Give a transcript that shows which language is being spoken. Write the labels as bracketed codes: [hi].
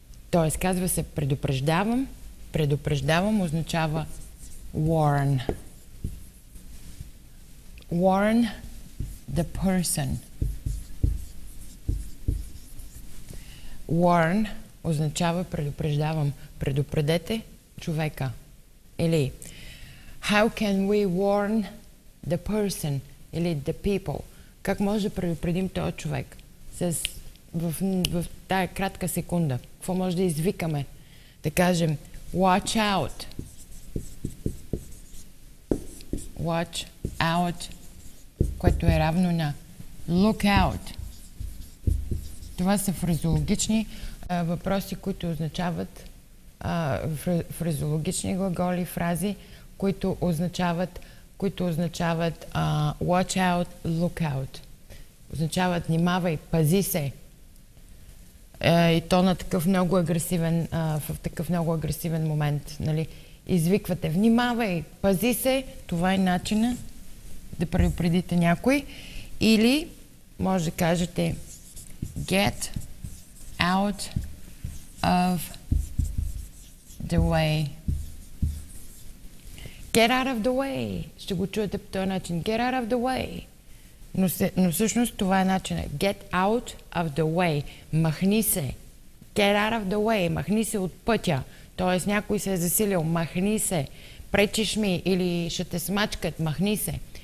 [bg] Тоест, казва се предупреждавам. Предупреждавам означава warn. [en] Warn the person. [bg] Warn означава предупреждавам. Предупредете човека. [en] Или how can we warn the person? Или the people. [bg] Как може да предупредим този човек? В тая кратка секунда. Какво може да извикаме? Да кажем [en] watch out. Watch out. [bg] Което е равно на [en] look out. [bg] Това са фразологични въпроси, които означават фразологични глаголи, фрази, които означават, [en] watch out, look out. [bg] Означават внимавай, пази се. И то на такъв много агресивен, в такъв много агресивен момент, нали, извиквате, внимавай, пази се, това е начина да предупредите някой. Или може да кажете [en] get out of the way. Get out of the way. [bg] Ще го чуете по този начин. [en] Get out of the way. [bg] Но всъщност това е начинът. [en] Get out of the way. [bg] Махни се. [en] Get out of the way. [bg] Махни се от пътя. Тоест някой се е засилил. Махни се. пречиш ми или ще те смачкат, махни се.